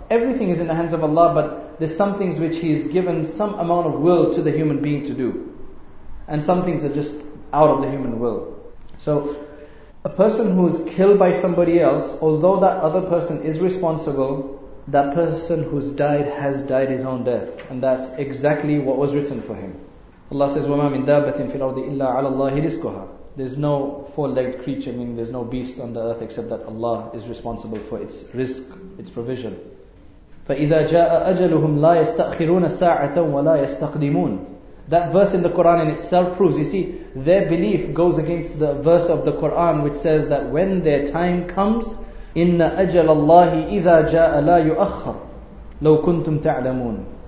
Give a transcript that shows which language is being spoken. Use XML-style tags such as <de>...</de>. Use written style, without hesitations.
<en>Everything is in the hands of Allah, but there's some things which He has given some amount of will to the human being to do. And some things are just out of the human will. So a person who is killed by somebody else, although that other person is responsible, that person who's died has died his own death. And that's exactly what was written for him. Allah says,</en> <ar>وَمَا مِن دَابَّةٍ فِي الْأَرْضِ إِلَّا عَلَى اللَّهِ رِزْقُهَا.</ar> <en>There's no four-legged creature, meaning there's no beast on the earth except that Allah is responsible for its risk, its provision.</en> <ar>فَإِذَا جَاءَ أَجَلُهُمْ لَا يَسْتَأْخِرُونَ سَاعَةً وَلَا يَسْتَقْدِمُونَ.</ar> <en>That verse in the Quran in itself proves, you see, their belief goes against the verse of the Quran which says that when their time comes,</en> <ar>إِنَّ أَجَلَ اللَّهِ إِذَا جَاءَ لَا يُؤَخَّرُ لَوْ كُنْتُمْ تَعْلَمُونَ.</ar>